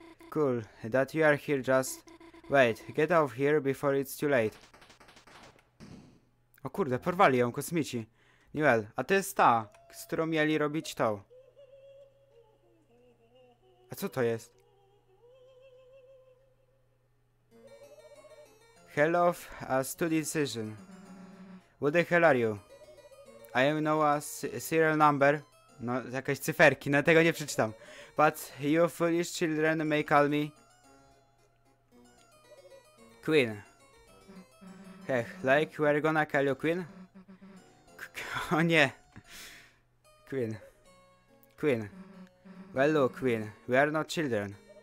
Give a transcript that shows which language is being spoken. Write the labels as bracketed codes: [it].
[en] Cool, that you are here just. Wait, get out of here before it's too late. [pl] O kurde, porwali ją kosmici. Newell, a to jest ta, z którą mieli robić to. A co to jest? [en] Hell of a study session. Who the hell are you? I am no a serial number. [pl] No, jakieś cyferki, no tego nie przeczytam. [en] But you foolish children may call me Queen. Heh, like we're gonna call you Queen? [pl] O nie. [en] Queen. Queen. Well, look, Queen. We are not children.